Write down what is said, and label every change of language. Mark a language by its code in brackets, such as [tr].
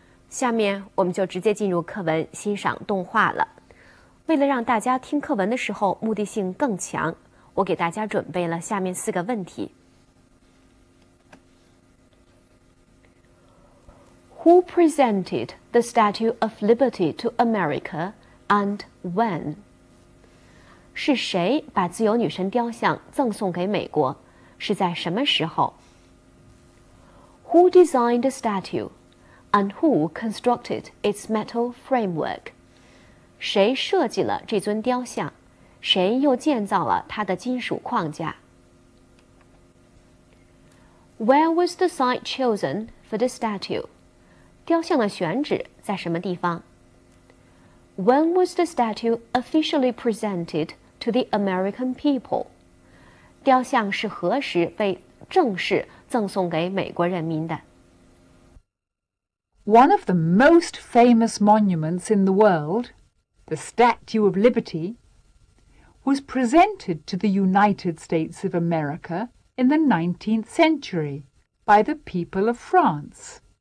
[zh] 下面我们就直接进入课文欣赏动画了。为了让大家听课文的时候目的性更强，我给大家准备了下面四个问题。 [en] Who presented the Statue of Liberty to America and when? [zh] 是谁把自由女神雕像赠送给美国？是在什么时候？ [en] Who designed the statue and who constructed its metal framework? [zh] 谁设计了这尊雕像？谁又建造了它的金属框架？ [en] Where was the site chosen for the statue? [zh] 雕像的选址在什么地方？ [en] When was the statue officially presented? To the American people. [zh] 雕像是何时被正式赠送给美国人民的？ [en] One of the most famous monuments in the world, the Statue of Liberty, was presented to the United States of America in the 19th century by the people of France.